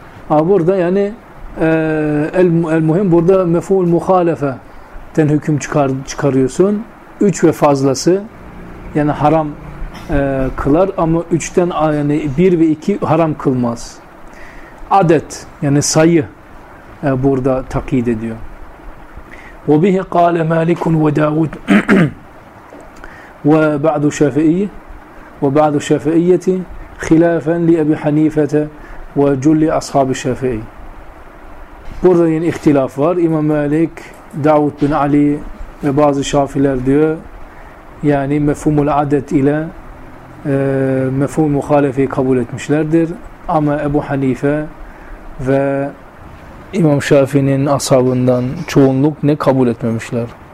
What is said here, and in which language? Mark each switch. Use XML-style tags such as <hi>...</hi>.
<tr>Ama burada yani el-muhim burada mef'ul muhalefe den hüküm çıkarıyorsun. 3 ve fazlası yani haram kılar ama 3'ten yani 1 ve 2 haram kılmaz. Adet yani sayı burada takyid ediyor.</tr> <ar>وبه قال مالك وداود وبعض الشافعي وبعض الشافعية خلافا لأبي حنيفة وجل أصحاب الشافعي.</ar> <tr>Burada yani ihtilaf var. İmam Malik, Davud bin Ali ve bazı şafiler diyor. Yani mefhumul adet ile mefhumul muhalefi kabul etmişlerdir. Ama Ebu Hanife ve İmam Şafii'nin ashabından çoğunluk ne kabul etmemişler.</tr>